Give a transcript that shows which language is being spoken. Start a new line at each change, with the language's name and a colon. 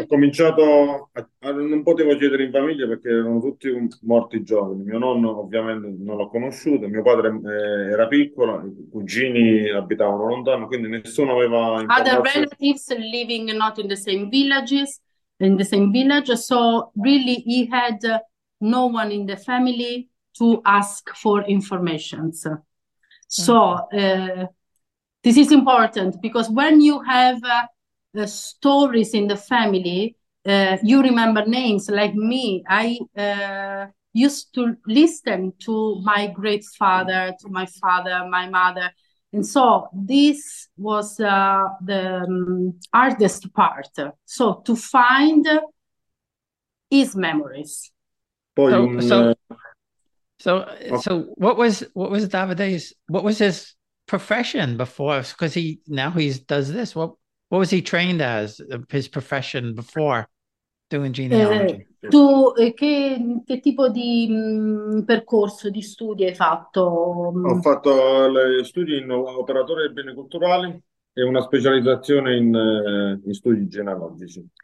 Italian: Ho cominciato non potevo chiedere in famiglia perché erano tutti morti giovani. Mio nonno ovviamente non l'ho conosciuto, mio padre era piccolo, i cugini abitavano lontano, quindi nessuno aveva informazioni.
English: Other relatives living not in the same villages, in the same village, so really he had no one in the family to ask for information. So this is important, because when you have stories in the family, you remember names like me. I used to listen to my great father, to my father, my mother. And so this was the hardest part. So to find his memories. So what was Davide's, what was his profession before? Because he does this. What was he trained as, his profession before doing genealogy?
Italian: Tu che tipo di percorso di studi hai fatto? Ho fatto le studi in operatore dei beni culturali e una specializzazione in studi genealogici.